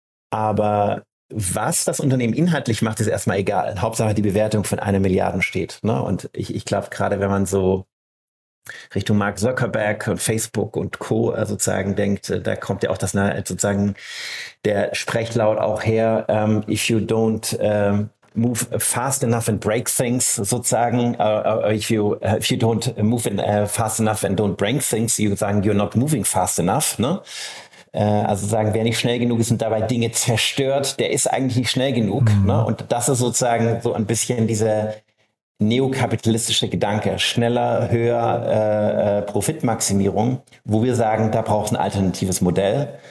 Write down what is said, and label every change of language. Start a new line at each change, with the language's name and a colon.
German: Aber was das Unternehmen inhaltlich macht, ist erstmal egal. Hauptsache die Bewertung von 1 Milliarde steht. Ne? Und ich glaube, gerade wenn man so Richtung Mark Zuckerberg und Facebook und Co. sozusagen denkt, da kommt ja auch das, sozusagen der Sprechlaut auch her.
English: If you don't move fast enough and break things, sozusagen, if you don't move in, fast enough and don't break things, you would say you're not moving fast enough, ne?
German: Also sagen, wer nicht schnell genug ist und dabei Dinge zerstört, der ist eigentlich nicht schnell genug. Mhm. Ne? Und das ist sozusagen so ein bisschen dieser neokapitalistische Gedanke. Schneller, höher, Profitmaximierung, wo wir sagen, da braucht es ein alternatives Modell.